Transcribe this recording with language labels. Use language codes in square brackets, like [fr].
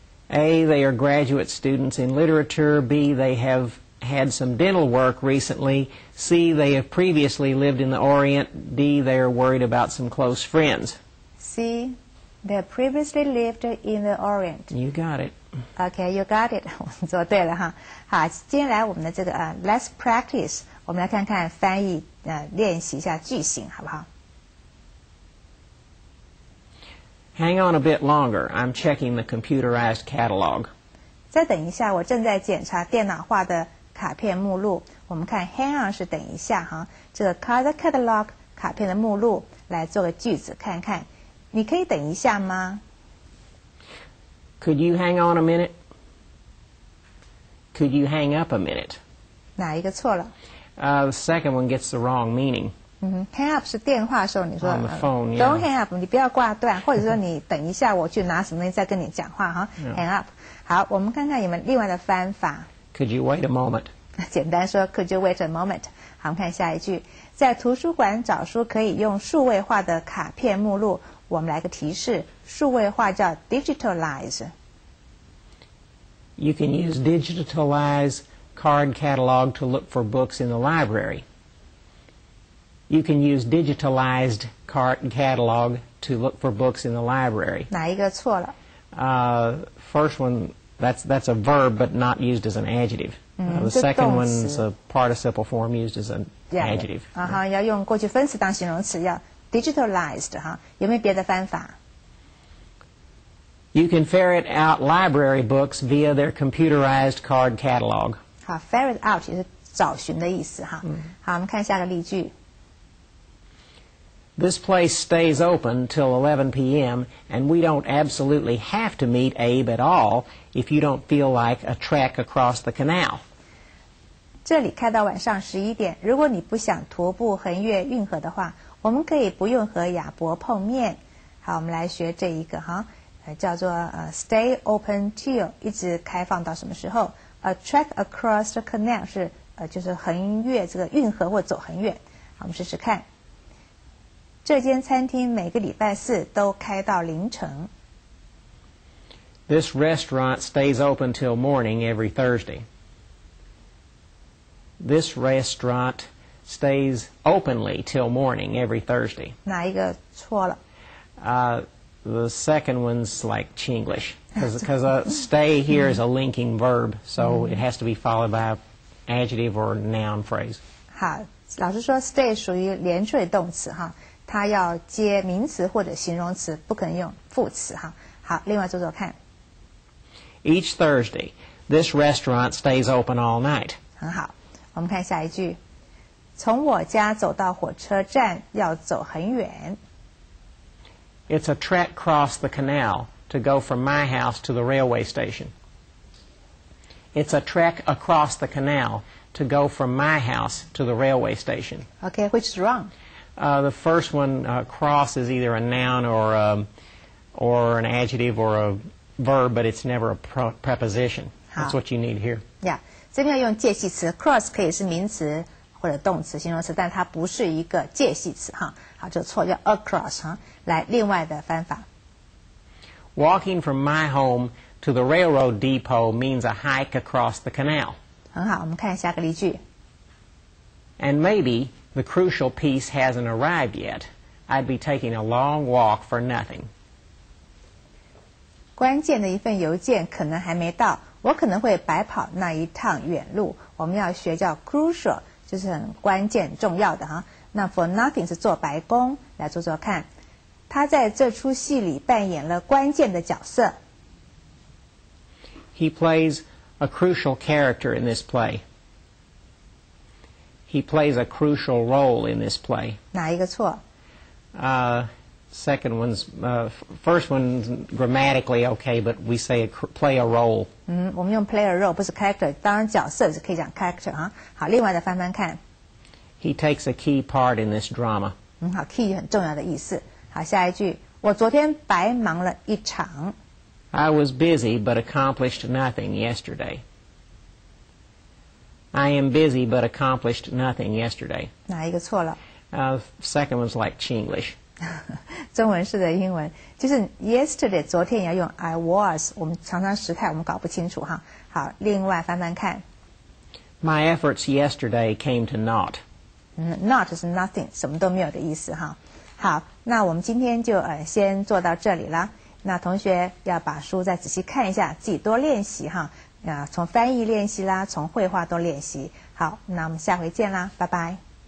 [en] A, they are graduate students in literature, B, they havehad some dental work recently, C, they have previously lived in the Orient, D, they are worried about some close friends. C, they have previously lived in the Orient. You got it. Okay, you got it. [zh] 做对了哈。好，今天来我们的这个 [en] let's practice, [zh] 我们来看看翻译练习一下句型好不好。 [en] Hang on a bit longer, I'm checking the computerized catalog. [zh] 再等一下，我正在检查电脑化的卡片目录，我们看 [en] hang on [zh] 是等一下哈，这个 [en] card catalog [zh] 卡片的目录来做个句子看看，你可以等一下吗 [en] ？Could you hang on a minute? Could you hang up a minute? [zh] 哪一个错了？ [en] The second one gets the wrong meaning. Hang up [zh] 是电话的时候你说 [en] on the phone, yeah. Don't hang up, [zh] 你不要挂断，或者说你等一下我去拿什么东西再跟你讲话哈。 [en] Hang up. [zh] 好，我们看看有没有另外的方法。 [en] Could you wait a moment? [zh] 简单说 [en] ，Could you wait a moment? [zh] 好，我们看下一句，在图书馆找书可以用数位化的卡片目录。我们来个提示，数位化叫 digitalize。 [en] You can use digitalize card catalog to look for books in the library. You can use digitalized card catalog to look for books in the library. [zh] 哪一个错了？ [en] First one. That's a verb, but not used as an adjective. The second one's a participle form used as an adjective. [zh] 要用过去分词当形容词，要 digitalized 哈。有没有别的方法？ [en] You can ferret out library books via their computerized card catalog. [zh] 好 ， [en] ferret out [zh] 也是找寻的意思哈。好，我们看下个例句。 [en] This place stays open till 11 p.m. and we don't absolutely have to meet Abe at all if you don't feel like a trek across the canal. [zh] 这里开到晚上十一点，如果你不想徒步横越运河的话，我们可以不用和亚伯碰面。好，我们来学这一个哈。叫做 [en] stay open till [zh] 一直开放到什么时候 ？ [en] A trek across the canal [zh] 是就是横越这个运河或走很远。好，我们试试看。这间餐厅每个礼拜四都开到凌晨。 [en] This restaurant stays open till morning every Thursday. This restaurant stays openly till morning every Thursday. [zh] 哪一个错了？ [en] The second one's like Chinglish, because stay here is a linking verb, so it has to be followed by an adjective or noun phrase. [zh] 好，老师说 stay 属于连缀动词哈，它要接名词或者形容词，不可能用副词哈。好，另外做做看。 [en] Each Thursday, this restaurant stays open all night. [zh] 很好，我们看下一句。从我家走到火车站要走很远。 [en] It's a trek across the canal to go from my house to the railway station. It's a trek across the canal to go from my house to the railway station. Okay, which is wrong? The first one, cross, is either a noun or an adjective or a verb, but it's never a preposition. That's what you need here. [zh] Yeah, 这边要用介系词 cross 可以是名词或者动词、形容词，但它不是一个介系词哈。好，就错，叫 across 哈。来，另外的方法。 [en] Walking from my home to the railroad depot means a hike across the canal. [zh] 很好，我们看下个例句。 [en] And maybe the crucial piece hasn't arrived yet. I'd be taking a long walk for nothing. [zh] 关键的一份邮件可能还没到，我可能会白跑那一趟远路。我们要学叫 crucial， 就是很关键、重要的哈。那 [en] for nothing [zh] 是做白工，来做做看。他在这出戏里扮演了关键的角色。 [en] He plays a crucial character in this play. He plays a crucial role in this play. [zh] 哪一个错？ [en] Second one's first one's grammatically okay, but we say play a role. [zh] 我们用 [en] play a role [zh] 不是 character， 当然角色是可以讲 character 啊。好，另外的翻翻看。 [en] He takes a key part in this drama. [zh] 好 ，key 很重要的意思。好，下一句，我昨天白忙了一场。 [en] I was busy but accomplished nothing yesterday. I am busy but accomplished nothing yesterday. [zh] 哪一个错了？ [en] Second one's like Chinglish. [zh] 中文式的英文就是 yesterday， 昨天也要用 I was。我们常常时态我们搞不清楚哈。好，另外翻翻看。 My efforts yesterday came to naught. Naught 是 nothing， 什么都没有的意思哈。好，那我们今天就先做到这里了。那同学要把书再仔细看一下，自己多练习哈。从翻译练习啦，从绘画多练习。好，那我们下回见啦，拜拜。